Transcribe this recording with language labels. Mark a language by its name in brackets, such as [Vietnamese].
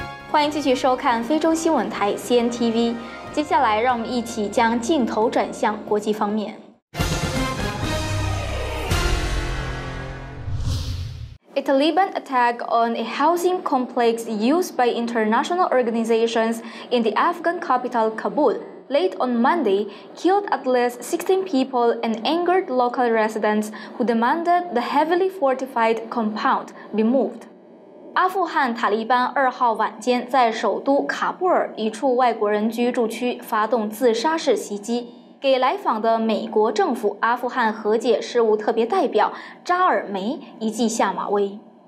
[Chinese] 欢迎继续收看菲中新闻台 CNTV。接下来，让我们一起将镜头转向国际方面。 [English] A Taliban attack on a housing complex used by international organizations in the Afghan capital Kabul late on Monday killed at least 16 people and angered local residents who demanded the heavily fortified compound be moved. [Chinese] 阿富汗塔利班二号晚间在首都喀布尔一处外国人居住区发动自杀式袭击。给来访的美国政府阿富汗和解事务特别代表扎尔梅一记下马威。